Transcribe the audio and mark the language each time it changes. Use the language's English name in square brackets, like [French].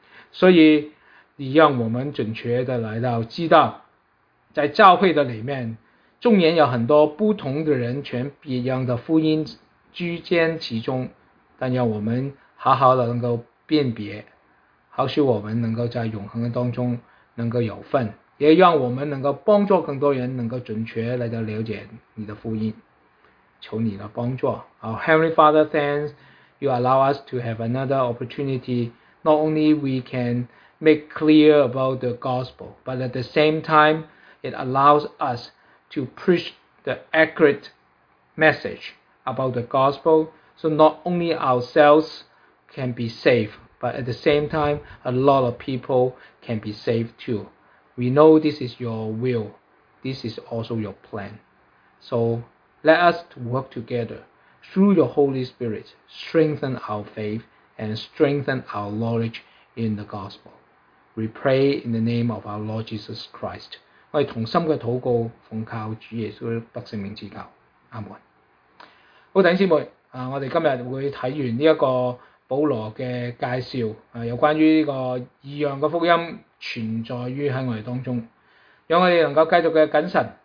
[Chinese] 所以你讓我們準確的來到知道，在教會的裡面，縱然有很多不同的人，全別樣的福音居間其中，但讓我們好好的能夠辨別，好使我們能夠在永恆的當中能夠有份，也讓我們能夠幫助更多人能夠準確來到了解你的福音。求你的幫助。 [English] Our Heavenly Father, thanks you allow us to have another opportunity. Not only we can make clear about the gospel, but at the same time, it allows us to preach the accurate message about the gospel. So not only ourselves can be saved, but at the same time, a lot of people can be saved too. We know this is your will. This is also your plan. So let us work together through your Holy Spirit, strengthen our faith and strengthen our knowledge in the gospel. We pray in the name of our Lord Jesus Christ. [Chinese] 我们同心的祷告，奉靠主耶稣得圣名之教，阿门。好，弟兄姊妹，我们今天会看完这个保罗的介绍，有关于这个异样的福音存在于在我们当中，让我们能够继续的谨慎。